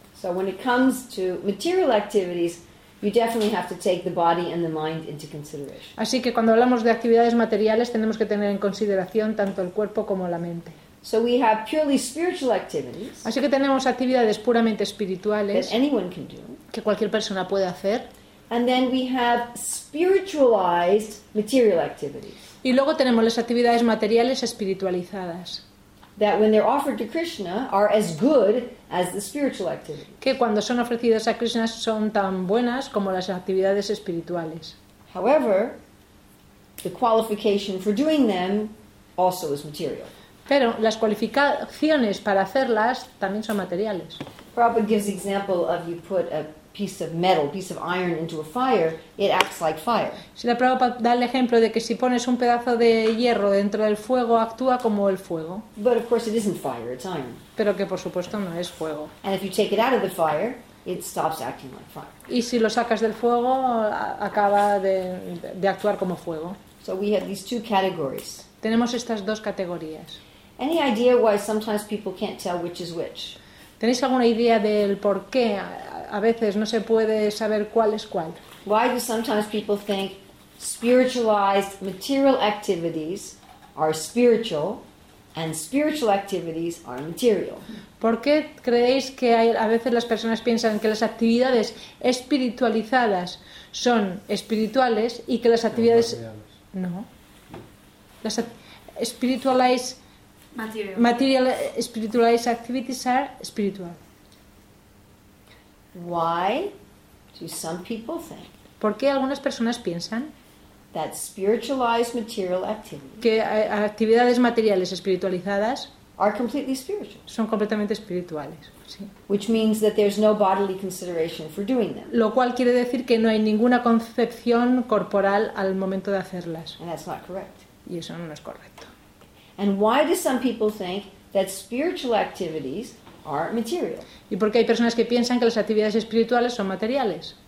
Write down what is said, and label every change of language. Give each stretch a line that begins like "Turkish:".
English: So when it comes to material activities, you definitely have to take the body and the mind into consideration.
Spanish: Así que cuando hablamos de actividades materiales, tenemos que tener en consideración tanto el cuerpo como la mente.
English: So we have purely spiritual activities.
Spanish: Así que tenemos actividades puramente espirituales
English: that anyone can do,
Spanish: que cualquier persona puede hacer.
English: And then we have spiritualized material activities.
Spanish: Y luego tenemos las actividades materiales espiritualizadas.
English: That when they're offered to Krishna are as good as the spiritual activities.
Spanish: Que cuando son ofrecidas a Krishna son tan buenas como las actividades espirituales.
English: However, the qualification for doing them also is material.
Spanish: Pero las cualificaciones para hacerlas también son materiales.
English: Prabhupada gives the example of you put a piece of metal, piece of iron into a fire, it acts like fire.
Spanish: Si la Prabhupada da el ejemplo de que si pones un pedazo de hierro dentro del fuego, actúa como el fuego.
English: But of course it isn't fire, it's iron.
Spanish: Pero que por supuesto no es fuego.
English: And if you take it out of the fire, it stops acting like fire.
Spanish: Y si lo sacas del fuego, acaba de actuar como fuego.
English: So we have these two categories.
Spanish: Tenemos estas dos categorías.
English: Any idea why sometimes people can't tell which is which?
Spanish: ¿Tenéis alguna idea del por qué a veces no se puede saber cuál es cuál?
English: Why do sometimes people think spiritualized material activities are spiritual and spiritual activities are material?
Spanish: ¿Por qué creéis que a veces las personas piensan que las actividades espiritualizadas son espirituales y que las actividades no? Las spiritualized
English: Material spiritualized activities are spiritual. Why do some people think?
Spanish: ¿Por qué algunas personas piensan
English: that spiritualized material activities
Spanish: que actividades materiales espiritualizadas
English: are completely spiritual?
Spanish: Son completamente espirituales. Sí.
English: Which means that there's no bodily consideration for doing them.
Spanish: Lo cual quiere decir que no hay ninguna concepción corporal al momento de hacerlas.
English: And that's not correct.
Spanish: Y eso no es correcto.
English: And why do some people think that spiritual activities are material?
Spanish: ¿Y por qué hay personas que piensan que las actividades espirituales son materiales?